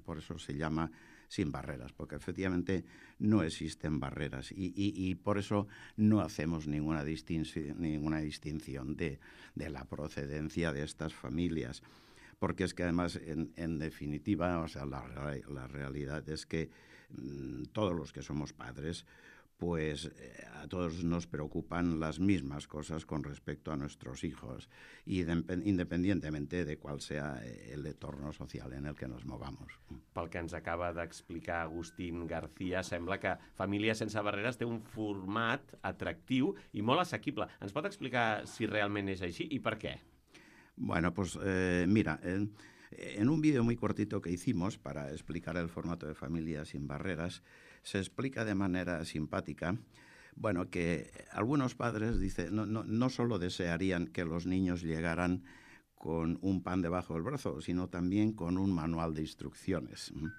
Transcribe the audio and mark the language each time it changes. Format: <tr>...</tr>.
<es>Por eso se llama sin barreras, porque efectivamente no existen barreras y por eso no hacemos ninguna distinción de la procedencia de estas familias, porque es que además, en definitiva, o sea, la realidad es que todos los que somos padres, pues a todos nos preocupan las mismas cosas con respecto a nuestros hijos, independientemente de cuál sea el entorno social en el que nos movamos.</es> <ca>Pel que ens acaba d'explicar Agustín García, sembla que Famílies sense Barreres té un format atractiu i molt assequible. Ens pot explicar si realment és així i per què?</ca> <es>Bueno, pues mira, en un vídeo muy cortito que hicimos para explicar el formato de Familias sin Barreras, se explica de manera simpática, bueno, que algunos padres, dice, no solo desearían que los niños llegaran con un pan debajo del brazo, sino también con un manual de instrucciones.</es>